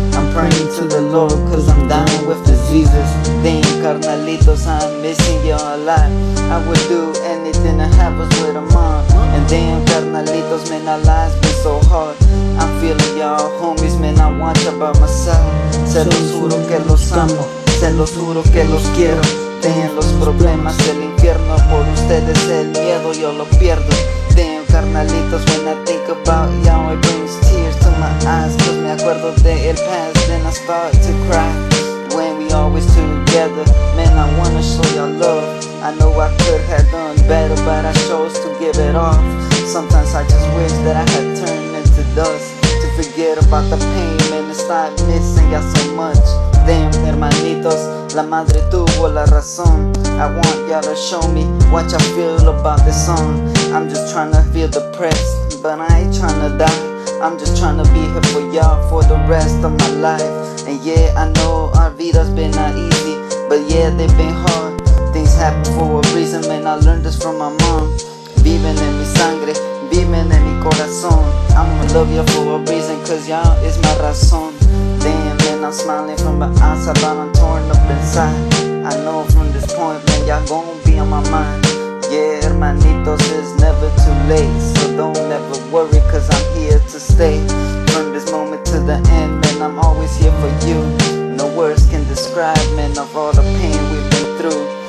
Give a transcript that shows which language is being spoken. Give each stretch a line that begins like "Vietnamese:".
English: I'm praying to the Lord, cause I'm dying with diseases. Damn, carnalitos, I'm missing you a lot. I would do anything to have us with a mom. And damn, carnalitos, man, our lives been so hard. I'm feeling y'all homies, man, I want you by my side.
Spanish: Se los juro que los amo. Se los juro que los quiero. Dejen los problemas del infierno. Por ustedes el miedo yo lo pierdo.
English: Damn, carnalitos, when I think about y'all, it brings tears to my eyes. Cause
Spanish: me acuerdo de el
English: past, then I start to cry. When we always together, man, I wanna show y'all love. I know I could have done better, but I chose to give it off. Sometimes I just wish that I had turned into dust. To forget about the pain, man, and stop missing y'all so much.
Spanish: Damn, hermanitos, la madre tuvo la razón.
English: I want y'all to show me what y'all feel about this song. I'm just tryna feel depressed, but I ain't tryna die. I'm just tryna be here for y'all for the rest of my life. And yeah, I know our vidas been not easy, but yeah, they've been hard. Things happen for a reason, man, I learned this from my mom.
Spanish: Viven en mi sangre, viven en mi corazón.
English: I'ma love y'all for a reason, cause y'all is my razón. I'm smiling from the outside, but I'm torn up inside. I know from this point, man, y'all gon' be on my mind. Yeah, hermanitos, it's never too late. So don't ever worry, cause I'm here to stay. From this moment to the end, man, I'm always here for you. No words can describe, man, of all the pain we've been through.